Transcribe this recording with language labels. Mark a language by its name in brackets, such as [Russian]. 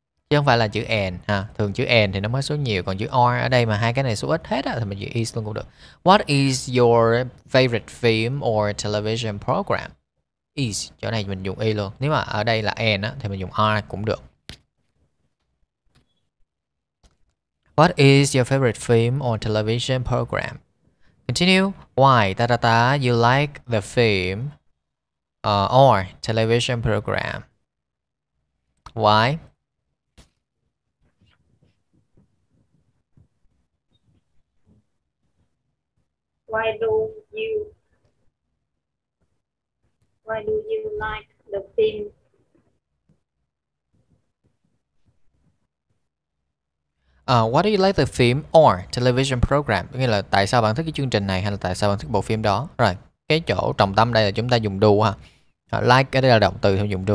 [Vietnamese] Chứ không phải là chữ and ha. Thường chữ and thì nó mới số nhiều, còn chữ or ở đây mà hai cái này số ít hết á thì mình chữ is luôn cũng được. [English] What is your favorite film or television program? [Vietnamese] is, chỗ này mình dùng y luôn. Nếu mà ở đây là and á, thì mình dùng are cũng được. [English] What is your favorite film or television program? Continue. Why? Ta ta ta. You like the film or television program? Why? Why do you like the film? What do you like the film or television program? [Vietnamese] Nghĩa là tại sao bạn thích cái chương trình này hay là tại sao bạn thích bộ phim đó? Rồi, cái chỗ trọng tâm đây là chúng ta dùng do ha. Like cái đây là động từ thì dùng do.